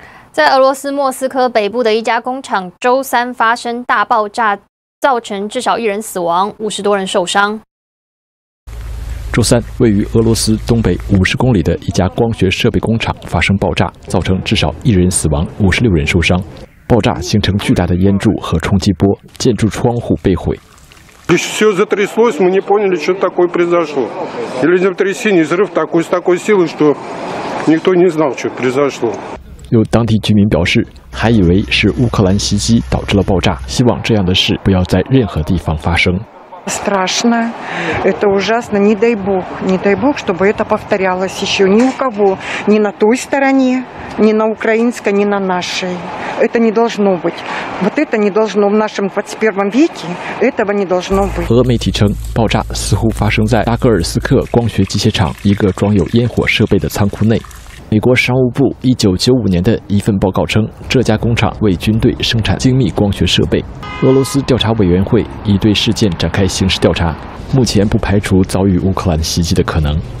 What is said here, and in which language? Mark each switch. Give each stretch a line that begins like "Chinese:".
Chinese: 在俄罗斯莫斯科北部的一家工厂周三发生大爆炸，造成至少一人死亡，50多人受伤。周三，位于俄罗斯东北50公里的一家光学设备工厂发生爆炸，造成至少一人死亡，56人受伤。爆炸形成巨大的烟柱和冲击波，建筑窗户被毁。
Russian: Все затряслось, мы не поняли, что такое произошло. Или землетрясение, взрыв такой, с такой силы, что никто не знал, что произошло.
Chinese: 有当地居民表示，还以为是乌克兰袭击导致了爆炸，希望这样的事不要在任何地方发生。
Russian: страшно, это ужасно, не дай бог, чтобы это повторялось еще ни у кого, ни на той стороне, ни на украинской, ни на нашей. Это не должно быть. Вот это не должно в нашем 21 веке, этого не должно быть.
Chinese: 俄媒体称，爆炸似乎发生在巴格尔斯克光学机械厂一个装有烟火设备的仓库内。美国商务部1995年的一份报告称，这家工厂为军队生产精密光学设备。俄罗斯调查委员会已对事件展开刑事调查，目前不排除遭遇乌克兰袭击的可能。